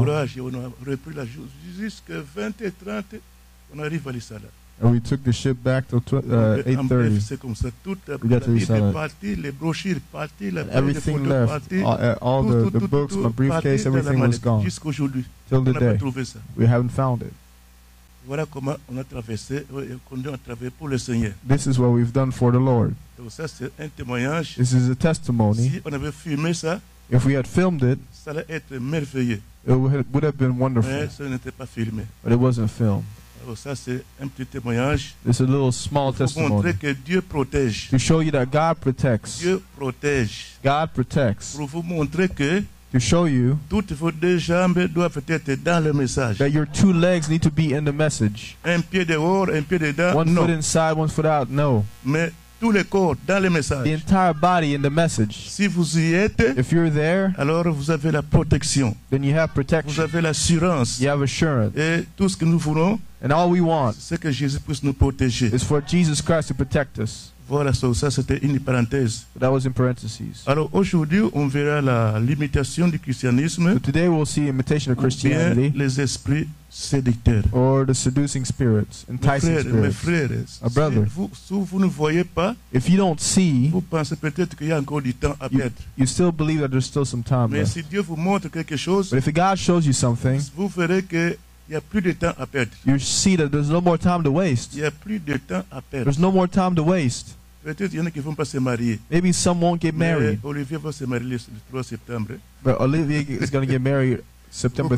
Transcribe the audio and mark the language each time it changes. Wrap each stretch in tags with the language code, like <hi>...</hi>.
<fr>Le courage, on a repris la journée jusqu'à 20h30, on arrive à Lusala.</fr> <en>And we took the ship back to 8:30.</en> <fr>C'est comme ça, tout est parti, les brochures parties, la</fr> <en>everything left, all the books, my briefcase, everything was gone.</en> <fr>Jusqu'aujourd'hui,</fr> <en>till the day,</en> <fr>pas ça.</fr> <en>We haven't found it.</en> <fr>Voilà comment on a traversé et comment on a travaillé pour le Seigneur.</fr> <en>This is what we've done for the Lord.</en> <fr>Donc ça c'est un témoignage.</fr> <en>This is a testimony.</en> <fr>Si on avait filmé ça,</fr> <en>if we had filmed it,</en> <fr>ça allait être merveilleux.</fr> <en>It would have been wonderful.</en> <fr>Mais ça n'était pas filmé.</fr> <en>But it wasn't filmed.</en> <fr>Donc ça c'est un petit témoignage.</fr> <en>It's a little small testimony.</en> <fr>Pour montrer que Dieu protège.</fr> <en>To show you that God protects.</en> <fr>Dieu protège.</fr> <en>God protects.</en> <fr>Pour vous montrer que</fr> <en>to show you</en> <fr>toutes vos deux jambes doivent être dans le message.</fr> <en>That your two legs need to be in the message.</en> <fr>Un pied dehors, un pied dedans.</fr> <en>One</en> <fr>non.</fr> <en>Foot inside, one foot out. No.</en> <fr>Mais tout le corps dans le message.</fr> <en>The entire body in the message.</en> <fr>Si vous y êtes,</fr> <en>if you're there,</en> <fr>alors vous avez la protection.</fr> <en>Then you have protection.</en> <fr>Vous avez l'assurance.</fr> <en>You have assurance.</en> <fr>Et tout ce que nous voulons,</fr> <en>and all we want,</en> <fr>c'est que Jésus puisse nous protéger.</fr> <en>Is for Jesus Christ to protect us.</en> <fr>Voilà, ça c'était une parenthèse.</fr> <en>That was in parentheses.</en> <fr>Alors aujourd'hui, on verra la limitation du christianisme.</fr> <en>So today we'll see imitation of Christianity.</en> <fr>Les esprits séducteurs.</fr> <en>Or the seducing spirits, enticing spirits.</en> <fr>Mes frères,</fr> <en>a brother.</en> <fr>Si vous ne voyez pas,</fr> <en>if you don't see,</en> <fr>vous pensez peut-être qu'il y a encore du temps à perdre.</fr> <en>You still believe that there's still some time.</en> <fr>Mais</fr> <en>left.</en> <fr>Si Dieu vous montre quelque chose,</fr> <en>but if God shows you something,</en> <fr>vous verrez que il y a plus de temps à perdre.</fr> <en>You see that there's no more time to waste.</en> <fr>Il y a plus de temps à perdre.</fr> <en>There's no more time to waste.</en> <fr>Peut-être y en a qui vont pas se marier.</fr> <en>Maybe some won't get married.</en> <fr>Mais Olivier va se marier le 3 septembre.</fr> <en>But Olivier is going to get married September 3rd.</en>